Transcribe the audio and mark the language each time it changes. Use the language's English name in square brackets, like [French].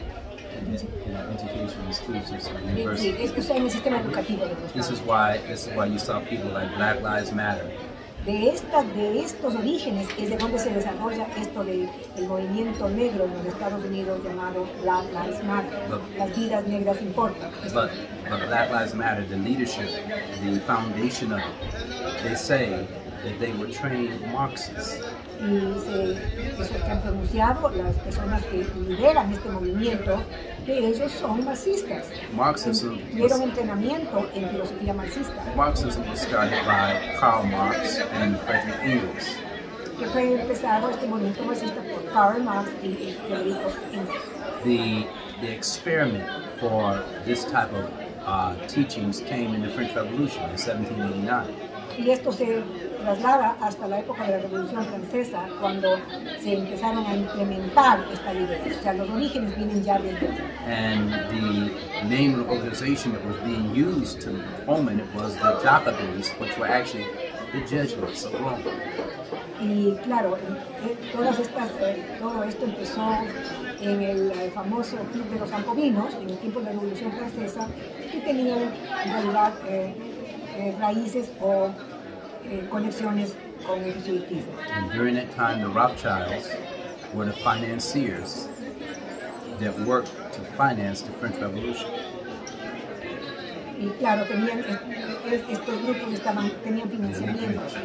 [English] Education in school system, universities. This is why you saw people like Black Lives Matter. [Spanish] De estos orígenes es de donde se desarrolla esto del movimiento negro en los Estados Unidos llamado Black Lives Matter. Las vidas negras importan. [English] But Black Lives Matter, the leadership, the foundation of it, they say that they were trained Marxists. [Spanish] Y dice, eso que han pronunciado las personas que lideran este movimiento, que ellos son marxistas. [English] Marxism. [Spanish] Tuvieron entrenamiento en filosofía marxista. [English] Marxism was started by Karl Marx and Friedrich Engels. [Spanish] Que fue empezado este movimiento marxista por Karl Marx y Friedrich Engels. [English] The experiment for this type of teachings came in the French Revolution in 1789. [Spanish] Y esto se traslada hasta la época de la Revolución Francesa, cuando se empezaron a implementar esta idea. O sea, los orígenes vienen ya de ahí. [English] And the name of the organization that was being used to foment it was the Jacobins, which were actually the Jesuits of Rome. [Spanish] Y claro, todo esto empezó en el famoso Club de los Jacobinos, en el tiempo de la Revolución Francesa, que tenía en realidad raíces o conexiones con el jesuitismo. [English] And during that time, the Rothschilds were the financiers that worked to finance the French Revolution. [Spanish] Y claro, tenían estos grupos estaban tenían financiamiento.